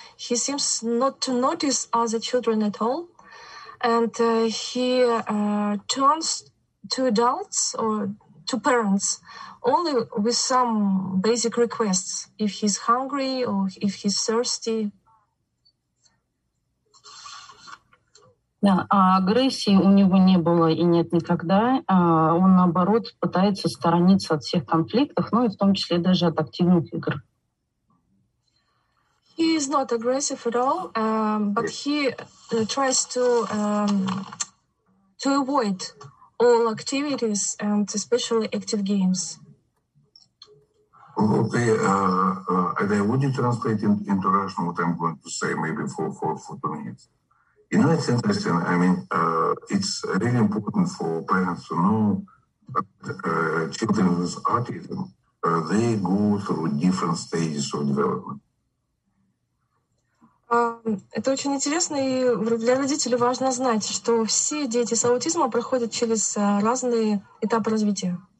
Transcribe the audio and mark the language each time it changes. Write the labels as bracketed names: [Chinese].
[English] He seems not to notice other children at all. And he turns to adults or to parents only with some basic requests, if he's hungry or if he's thirsty. [Russian] Да, а агрессии у него не было и нет никогда. Он, наоборот, пытается сторониться от всех конфликтов, ну и в том числе даже от активных игр. [English] He is not aggressive at all, but he tries to avoid all activities and especially active games. Okay, Aiday, would you translate into Russian what I'm going to say, maybe for 2 minutes? You know, it's interesting. I mean, it's really important for parents to know that children with autism, they go through different stages of development. [Russian] Это очень интересно, и для родителей важно знать, что все дети с аутизмом проходят через разные этапы развития.